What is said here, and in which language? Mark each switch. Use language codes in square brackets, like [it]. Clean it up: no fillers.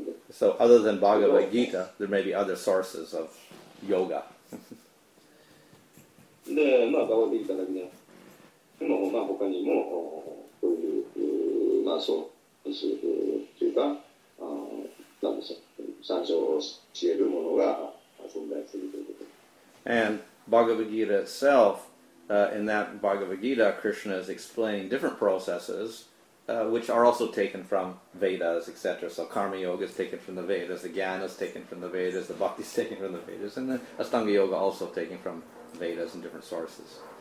[en] So other than Bhagavad Gita, there may be other sources of yoga. [ja] で、まあ、バガヴァッド・ギーターだけじゃなくても、まあ、他にもこういう、まあ、ソースというか、なんでしょう、参照を教えるものが存在するということ。 [en] And Bhagavad Gita itself, in that Bhagavad Gita, Krishna is explaining different processes, which are also taken from Vedas, etc. So Karma Yoga is taken from the Vedas, the Jnana is taken from the Vedas, the Bhakti is taken from the Vedas, and then Ashtanga Yoga also taken from Vedas and different sources.